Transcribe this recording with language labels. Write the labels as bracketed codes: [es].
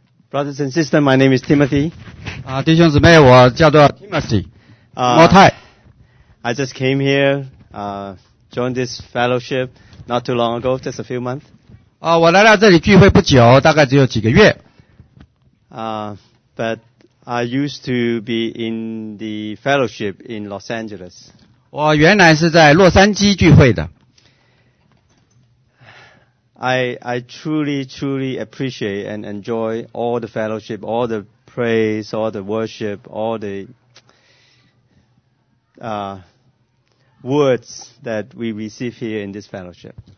[en] Brothers and sisters, my name is Timothy. [zh] 弟兄姊妹, 我叫做 Timothy. Motai. [en] I just came here, joined this fellowship not too long ago, just a few months. [zh] 我来到这里聚会不久, 大概只有几个月。 [en] But I used to be in the fellowship in Los Angeles. [zh] 我原来是在洛杉矶聚会的。 [en] I truly appreciate and enjoy all the fellowship, all the praise, all the worship, all the words that we receive here in this fellowship.